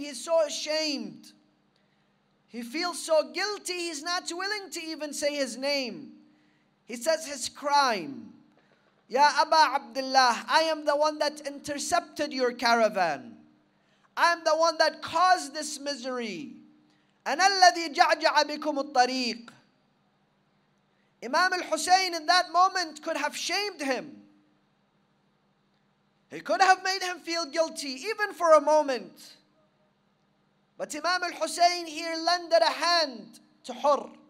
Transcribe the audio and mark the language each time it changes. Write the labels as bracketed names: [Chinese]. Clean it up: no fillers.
[English] He's so ashamed. He feels so guilty. He's not willing to even say his name. He says his crime. Ya Aba Abdullah, I am the one that intercepted your caravan. I am the one that caused this misery. [Arabic] أنا الذي جعجع بكم الطريق. [English] Imam al-Hussein in that moment could have shamed him. He could have made him feel guilty even for a moment. But Imam al-Hussein here lended a hand to Hur.